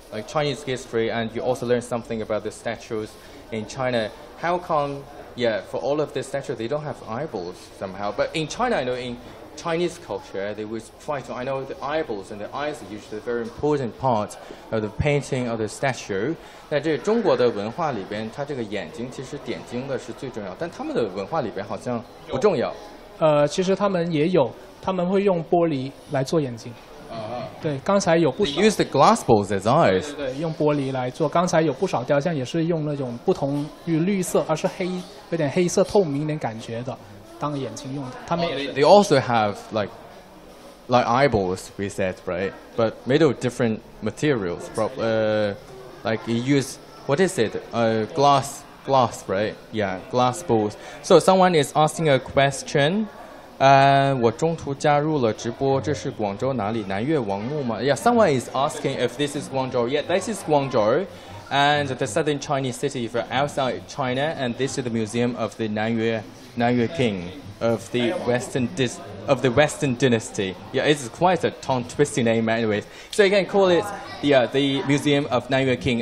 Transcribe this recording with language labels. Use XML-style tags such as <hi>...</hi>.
<en>Like Chinese history, and you also learned something about the statues in China. How come, yeah, for all of the statues, they don't have eyeballs somehow? But in China, I know in Chinese culture, they would try to, I know the eyeballs and the eyes are usually a very important part of the painting of the statue.</en> <zh>在这中国的文化里边，它这个眼睛其实点睛的是最重要，但他们的文化里边好像不重要。其实他们也有，他们会用玻璃来做眼睛。对，刚才有不少。</zh> <en>They use the glass balls as eyes.</en> <zh>对，用玻璃来做。刚才有不少雕像也是用那种不同于绿色，而是黑，有点黑色透明的感觉的，当眼睛用的。他们也是。</zh> <en>They also have like eyeballs, we said, right? But made of different materials. Like you use what is it? Glass, right? Yeah, glass balls. So someone is asking a question.</en> <zh>我中途加入了直播，这是广州哪里？南越王墓吗？</zh> <en>Yeah, someone is asking if this is Guangzhou. Yeah, this is Guangzhou, and the southern Chinese city for outside China, and this is the Museum of the Nanyue King of the Western Dynasty. Yeah, it's quite a tongue-twisting name anyways. So you can call it the Museum of Nanyue King.</en>